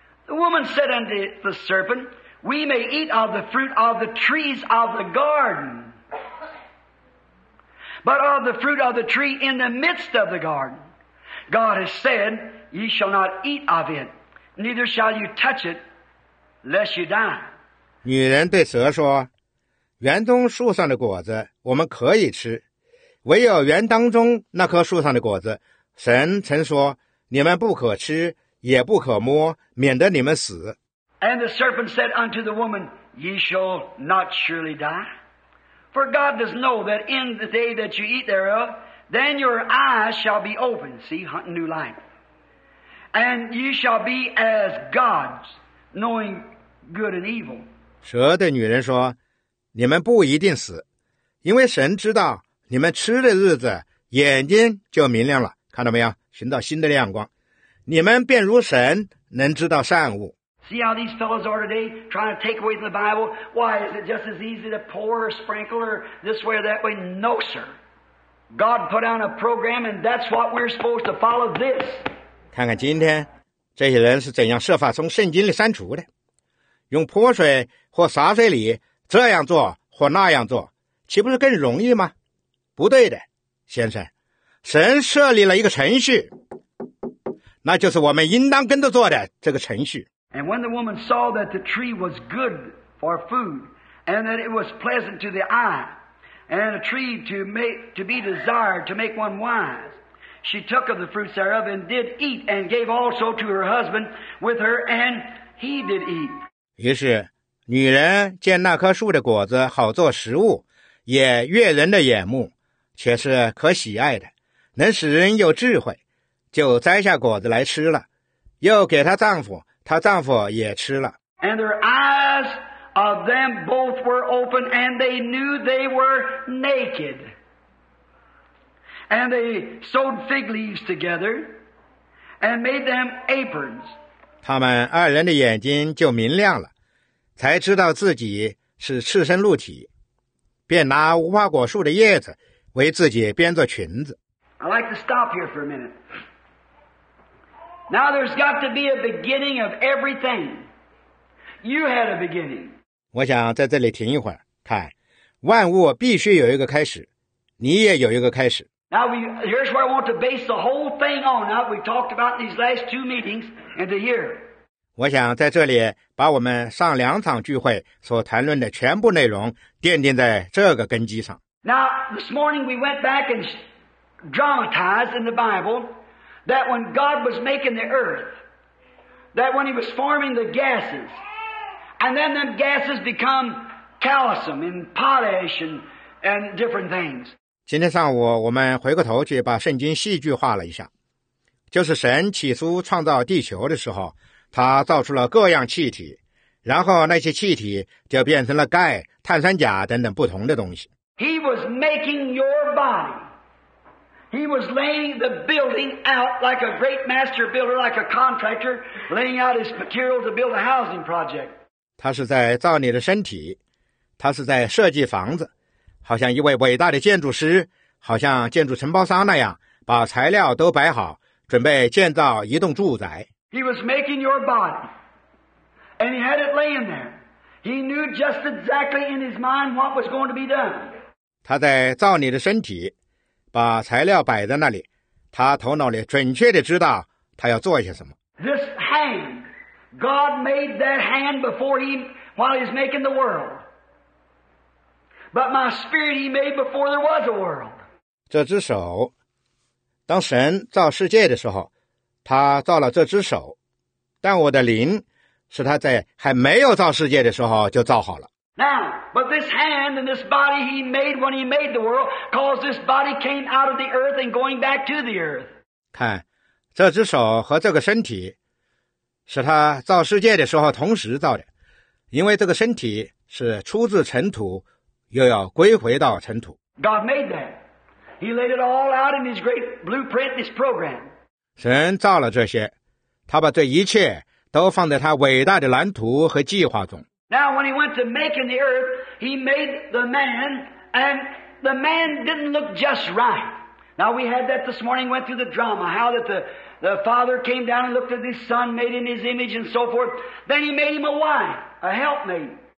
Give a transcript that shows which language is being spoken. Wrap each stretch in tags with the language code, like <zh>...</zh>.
<en>The woman said unto the serpent, We may eat of the fruit of the trees of the garden, but of the fruit of the tree in the midst of the garden, God has said, Ye shall not eat of it, neither shall you touch it, lest you die.</en> <zh>女人对蛇说，园中树上的果子我们可以吃，唯有园当中那棵树上的果子，神曾说，你们不可吃，也不可摸，免得你们死。</zh> <en>And the serpent said unto the woman, Ye shall not surely die. For God does know that in the day that you eat thereof, then your eyes shall be opened. See, hunting new light. And ye shall be as gods, knowing good and evil.</en> <zh>蛇对女人说，你们不一定死，因为神知道你们吃的日子眼睛就明亮了，看到没有，寻找新的亮光，你们便如神能知道善恶。</zh> <en>See how these fellows are today trying to take away from the Bible? Why is it just as easy to pour or sprinkle or this way or that way? No sir, God put on a program and that's what we're supposed to follow this.</en> <zh>看看今天这些人是怎样设法从圣经里删除的，用泼水或洒水里这样做或那样做，岂不是更容易吗？不对的，先生，神设立了一个程序，那就是我们应当跟着做的这个程序。</zh> <en>And when the woman saw that the tree was good for food, and that it was pleasant to the eye, and a tree to be desired to make one wise, she took of the fruits thereof and did eat, and gave also to her husband with her, and he did eat.</en> <zh>于是女人见那棵树的果子好做食物，也悦人的眼目，却是可喜爱的，能使人有智慧，就摘下果子来吃了，又给她丈夫，她丈夫也吃了。</zh> <en>And their eyes of them both were open, and they knew they were naked. And they sewed fig leaves together, and made them aprons.</en> <zh>他们二人的眼睛就明亮了，才知道自己是赤身露体，便拿无花果树的叶子为自己编作裙子。</zh> <en>I'd like to stop here for a minute. Now there's got to be a beginning of everything. You had a beginning.</en> <zh>我想在这里停一会儿，看，万物必须有一个开始，你也有一个开始。</zh> <en>Now here's where I want to base the whole thing on. Now we talked about these last two meetings and the year.</en> <zh>我想在这里把我们上两场聚会所谈论的全部内容奠定在这个根基上。</zh> <en>Now this morning we went back and dramatized in the Bible that when God was making the earth, that when he was forming the gases, and then them gases become calcium and potash and different things.</en> <zh>今天上午我们回过头去把圣经戏剧化了一下，就是神起初创造地球的时候，他造出了各样气体，然后那些气体就变成了钙、碳酸钾等等不同的东西。</zh> <en>He was making your body. He was laying the building out like a great master builder, like a contractor laying out his material to build a housing project.</en> <zh>他是在造你的身体，他是在设计房子，好像一位伟大的建筑师，好像建筑承包商那样，把材料都摆好，准备建造一栋住宅。</zh> <en>He was making your body, and he had it laying there. He knew just exactly in his mind what was going to be done.</en> <zh>他在造你的身体。把材料摆在那里，他头脑里准确地知道他要做些什么。</zh> <en>This hand, God made that hand before he, while he's making the world. But my spirit he made before there was a world.</en> <zh>这只手，当神造世界的时候，他造了这只手，但我的灵是他在还没有造世界的时候就造好了。</zh> <en>Now, but this hand and this body he made when he made the world, cause this body came out of the earth and going back to the earth.</en> <zh>看，这只手和这个身体，是他造世界的时候同时造的，因为这个身体是出自尘土，又要归回到尘土。</zh> <en>God made that. He laid it all out in his great blueprint, his program.</en> <zh>神造了这些，他把这一切都放在他伟大的蓝图和计划中。</zh> <en>Now when he went to making the earth, he made the man, and the man didn't look just right. Now we had that this morning, went through the drama, how that the father came down and looked at his son, made in his image and so forth. Then he made him a wife, a helpmate.</en>